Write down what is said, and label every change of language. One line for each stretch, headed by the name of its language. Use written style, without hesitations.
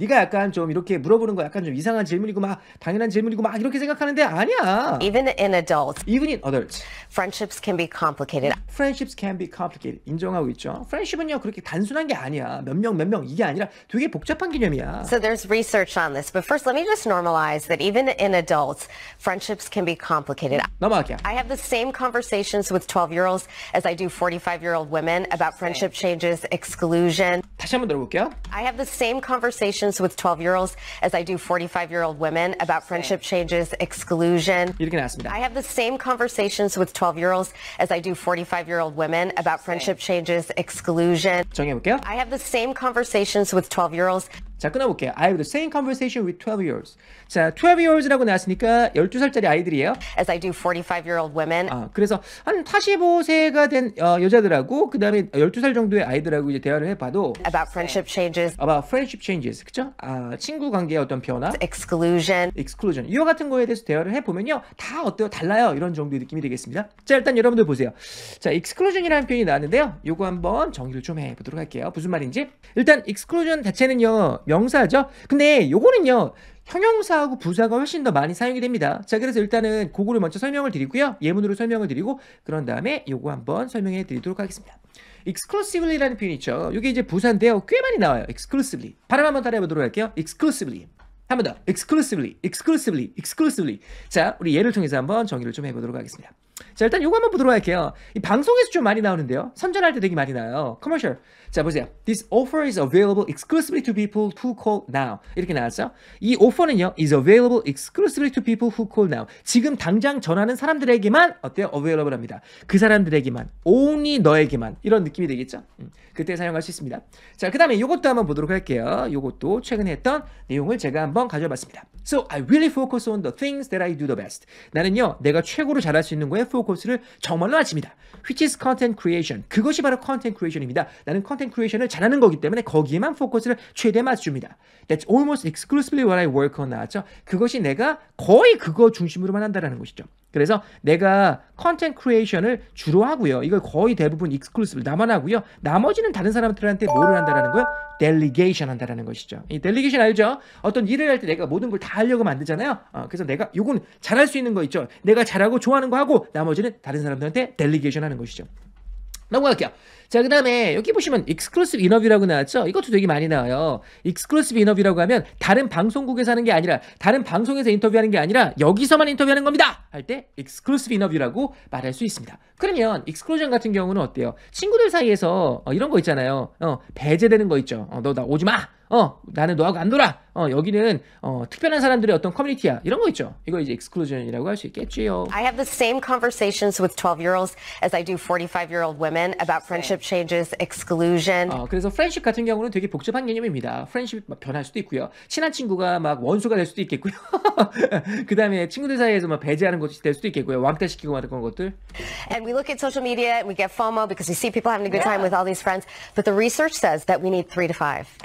Korean: 네가 약간 좀 이렇게 물어보는 거 약간 좀 이상한 질문이고 막 당연한 질문이고 막 이렇게 생각하는데 아니야.
English: Even in adults. Even in adults. Friendships can be complicated. Friendships can be complicated.
Korean: 인정하고 있죠. Friendship은요 그렇게 단순한 게 아니야. 몇 명 몇 명 이게 아니라 되게 복잡한 개념이야.
English: So there's research on this. But first, let me just normalize that even in adults, friendships can be complicated.
Korean: 넘어갈게요.
English: I have the same conversations with 12-year-olds as I do 45-year-old women about friendships. Changes exclusion.
Korean: 다시 한번 들어볼게요.
English: I have the same conversations with 12-year-olds as I do 45-year-old women about friendship changes exclusion.
Korean: 이렇게 나왔습니다.
English: I have the same conversations with 12-year-olds as I do 45-year-old women about friendship changes exclusion.
Korean: 정해볼게요.
English: I have the same conversations with 12-year-olds.
Korean: 자, 끊어볼게요.
English: I have the same conversation with 12-year-olds.
Korean: 자, 12-year-olds라고 나왔으니까 12살짜리 아이들이에요.
English: As I do 45-year-old women.
Korean: 그래서 한 45세가 된 여자들하고 그 다음에 12살 정도의 아이들하고 이제 대화를 해봐도
English: About friendship changes. About friendship changes.
Korean: 그쵸? 친구 관계의 어떤 변화.
English: Exclusion. Exclusion.
Korean: 이와 같은 거에 대해서 대화를 해보면요. 다 어때요? 달라요. 이런 정도의 느낌이 되겠습니다. 자, 일단 여러분들 보세요. 자, exclusion이라는 표현이 나왔는데요. 이거 한번 정리를 좀 해보도록 할게요. 무슨 말인지. 일단 exclusion 자체는요. 명사죠. 근데 요거는요 형용사하고 부사가 훨씬 더 많이 사용이 됩니다. 자, 그래서 일단은 그거를 먼저 설명을 드리고요. 예문으로 설명을 드리고 그런 다음에 요거 한번 설명해 드리도록 하겠습니다. exclusively라는 표현이 있죠. 이게 이제 부산대어 꽤 많이 나와요.
English: exclusively.
Korean: 발음 한번 따라해보도록 할게요.
English: exclusively.
Korean: 한 번 더.
English: exclusively. exclusively. exclusively.
Korean: 자, 우리 예를 통해서 한번 정의를 좀 해보도록 하겠습니다. 자, 일단 이거 한번 보도록 할게요. 이 방송에서 좀 많이 나오는데요. 선전할 때 되게 많이 나와요. commercial. 자, 보세요.
English: This offer is available exclusively to people who call now.
Korean: 이렇게 나왔죠? 이 offer는요.
English: is available exclusively to people who call now.
Korean: 지금 당장 전화하는 사람들에게만 어때요? available 합니다. 그 사람들에게만. only 너에게만. 이런 느낌이 되겠죠? 그때 사용할 수 있습니다. 자, 그 다음에 이것도 한번 보도록 할게요. 이것도 최근에 했던 내용을 제가 한번 가져봤습니다.
English: So I really focus on the things that I do the best.
Korean: 나는요. 내가 최고로 잘할 수 있는 거에 포커스를 정말로 맞춥니다.
English: Which is content creation.
Korean: 그것이 바로
English: content creation입니다.
Korean: 나는 컨텐츠 크리에이션을 잘하는 거기 때문에 거기에만 포커스를 최대 맞춥니다.
English: That's almost exclusively what I work on 나왔죠.
Korean: 그것이 내가 거의 그거 중심으로만 한다라는 것이죠. 그래서 내가 컨텐츠 크리에이션을 주로 하고요. 이걸 거의 대부분 exclusively 나만 하고요. 나머지는 다른 사람들한테 뭐를 한다라는 거요? Delegation 한다라는 것이죠. 이 delegation 알죠? 어떤 일을 할 때 내가 모든 걸 다 하려고 만들잖아요. 그래서 내가 이건 잘할 수 있는 거 있죠. 내가 잘하고 좋아하는 거 하고 나머지는 다른 사람들한테 delegation 하는 것이죠. 넘어갈게요. 자, 그 다음에 여기 보시면 exclusive interview라고 나왔죠? 이것도 되게 많이 나와요. exclusive interview라고 하면 다른 방송국에서 하는 게 아니라 다른 방송에서 인터뷰하는 게 아니라 여기서만 인터뷰하는 겁니다! 할 때 exclusive interview라고 말할 수 있습니다. 그러면 exclusion 같은 경우는 어때요? 친구들 사이에서 이런 거 있잖아요. 배제되는 거 있죠. 너 나 오지 마! 나는 너하고 안 놀아! 여기는 특별한 사람들의 어떤 커뮤니티야. 이런 거 있죠. 이거 이제 exclusion이라고 할 수 있겠지요.
English: I have the same conversations with 12-year-olds as I do 45-year-old women about friendship changes, exclusion.
Korean: 그래서 friendship 같은 경우는 되게 복잡한 개념입니다. friendship 막 변할 수도 있고요. 친한 친구가 막 원수가 될 수도 있겠고요. 그 다음에 친구들 사이에서 막 배제하는 것이 될 수도 있겠고요. 왕따시키고 막 그런 것들.
English: And we look at social media and we get FOMO because we see people having a good time with all these friends. But the research says that we need 3 to 5.